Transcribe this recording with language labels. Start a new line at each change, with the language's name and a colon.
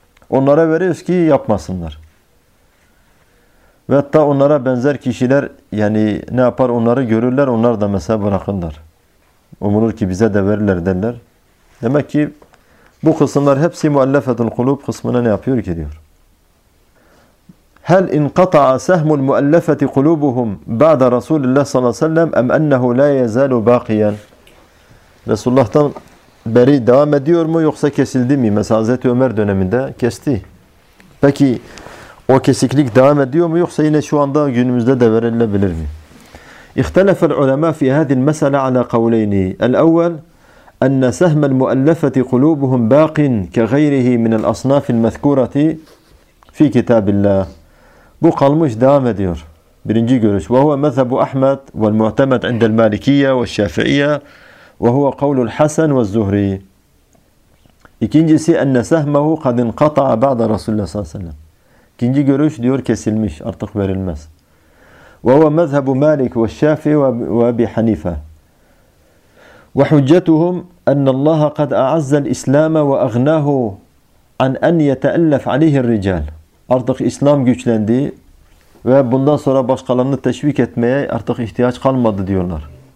Turkish: Onlara veriyoruz ki yapmasınlar. Ve hatta onlara benzer kişiler yani ne yapar onları görürler, onlar da mesela bırakırlar. Umulur ki bize de verirler derler. Demek ki bu kısımlar hepsi muallafetul kulub kısmına ne yapıyor ki diyor.
Arabic: هل انقطع سهم المؤلفة قلوبهم بعد رسول الله صلى الله عليه وسلم أم أنه لا يزال باقيا؟ رسول الله
Turkish: تن بري دوام ediyor mu yoksa kesildi mi? Mesela Hazreti Ömer döneminde kesti. Peki o kesiklik devam ediyor mu yoksa yine şu anda günümüzde de verilebilir mi?
Arabic: اختلف العلماء في هذه المسألة على قولين. الأول أن سهم المؤلفة قلوبهم باق كغيره من الأصناف المذكورة في كتاب الله.
Turkish: Bu kalmış devam ediyor. Birinci görüş.
Arabic: وَهُوَ مَذْهَبُ أَحْمَدْ وَالْمُعْتَمَدْ عِنْدَ الْمَالِكِيَّ وَالشَّافِعِيَّ وَهُوَ قَوْلُ الْحَسَنْ وَالزُّهْرِيِّ.
Turkish: İkincisi
Arabic: اَنَّ سَهْمَهُ قَدِنْ قَطَعَ بَعْدَ رَسُولُ اللّٰهِ صَلَّى اللّٰهِ عَلَيْهِ وَسَلَّمَ.
Turkish: İkinci görüş diyor kesilmiş, artık verilmez.
Arabic: وَهُوَ مَذْهَبُ مَالِكِ وَالشَّافِعِيَّ وَأَبِي حَنِيفَةَ. وَحُجَّتُهُمْ أَنَّ اللَّهَ قَدْ أَعَزَّ الْإِسْلَامَ وَأَغْنَاهُ عَنْ أَنْ يَتَأَلَّفَ عَلَيْهِ الرِّجَالُ.
Turkish: Artık İslam güçlendi ve bundan sonra başkalarını teşvik etmeye artık ihtiyaç kalmadı diyorlar.